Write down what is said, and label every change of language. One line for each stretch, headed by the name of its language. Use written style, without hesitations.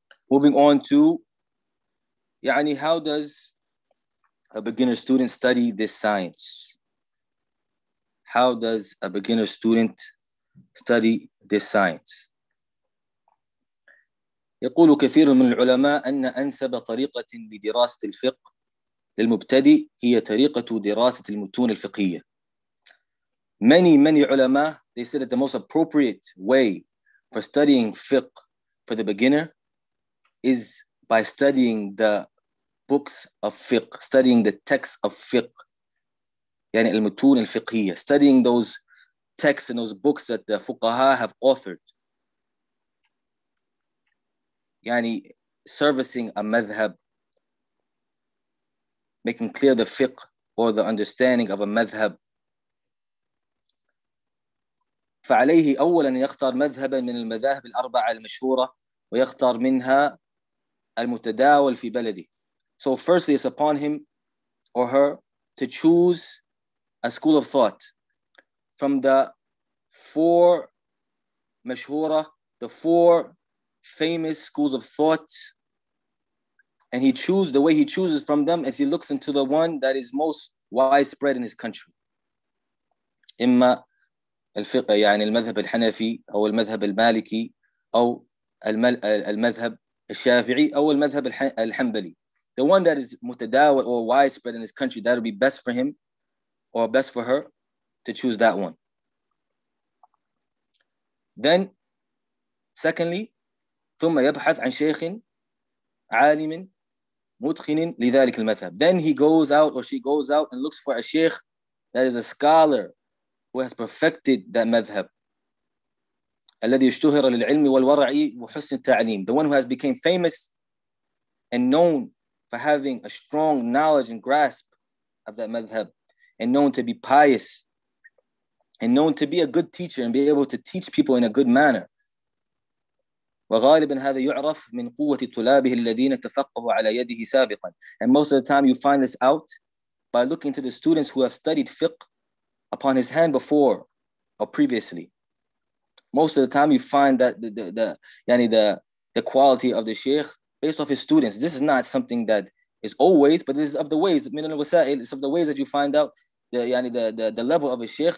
English: Moving on to, how does a beginner student study this science? How does a beginner student study this science?
Arabic: يقول كثير من العلماء أن أنسب طريقة لدراسة الفقه للمبتدئ هي طريقة دراسة المتون الفقهية.
English: Many علماء, they said that the most appropriate way for studying fiqh for the beginner is by studying the books of fiqh, studying the texts of fiqh.
Arabic: يعني المتون الفقهية,
English: studying those texts and those books that the fuqaha have authored. يعني servicing a madhab, making clear the fiqh or the understanding of a madhab.
Arabic: فعليه أولا يختار مذهبا من المذاهب الأربعة المشهورة ويختار منها المتداول في بلده.
English: So firstly, it's upon him or her to choose a school of thought from the four مشهورة, the four famous schools of thought, and he chooses the way he chooses from them as he looks into the one that is most widespread in his country.
Arabic: إما الفقه يعني المذهب الحنفي أو المذهب المالكي أو المذهب الشافعي أو المذهب الحنبلي.
English: The one that is متداول or widespread in his country, that would be best for him or best for her to choose that one. Then, secondly,
Arabic: ثم يبحث عن شيخ عالم متقن لذلك المذهب.
English: Then he goes out or she goes out and looks for a sheikh that is a scholar who has perfected that madhab.
Arabic: الذي اشتهر للعلم والورع وحسن التعليم.
English: The one who has become famous and known for having a strong knowledge and grasp of that madhab, and known to be pious and known to be a good teacher and be able to teach people in a good manner.
Arabic: وغالبا هذا يعرف من قوة طلابه الذين تفقهوا على يده سابقا.
English: And most of the time you find this out by looking to the students who have studied fiqh upon his hand before or previously. Most of the time you find that the quality of the sheikh based off his students. This is not something that is always, but this is of the ways,
Arabic: من الوسائل,
English: it's of the ways that you find out the level of a sheikh.